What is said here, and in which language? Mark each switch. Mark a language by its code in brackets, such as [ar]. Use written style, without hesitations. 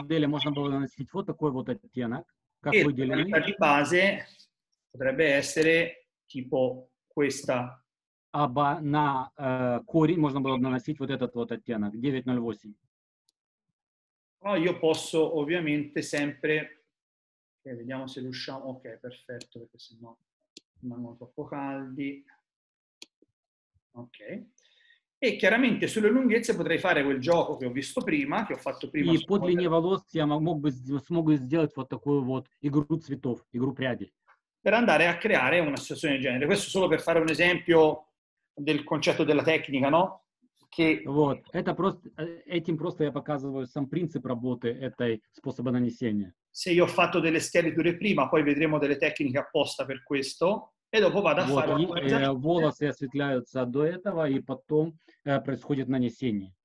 [it] Modella, tonalità di base potrebbe essere tipo questa. [ru] Aba na cori, можно было наносить вот этот вот оттенок 908. [it] Però io posso ovviamente sempre vediamo se riusciamo. Ok, perfetto, perché sennò rimangono troppo caldi. Ok. E chiaramente sulle lunghezze potrei fare quel gioco che ho visto prima, che ho fatto prima. [ru] И по длине волос я смогу сделать вот такую вот игру цветов, игру пряди. [it] Per andare a creare una situazione del genere. Questo solo per fare un esempio del concetto della tecnica, no? Che [ru] вот. Это просто этим просто я показываю сам принцип работы этой способа нанесения. [it] Se io ho fatto delle schiariture prima, poi vedremo delle tecniche apposta per questo e dopo vado a [ru] вот, [it] fare [ru] волосы осветляются до этого и потом происходит нанесение.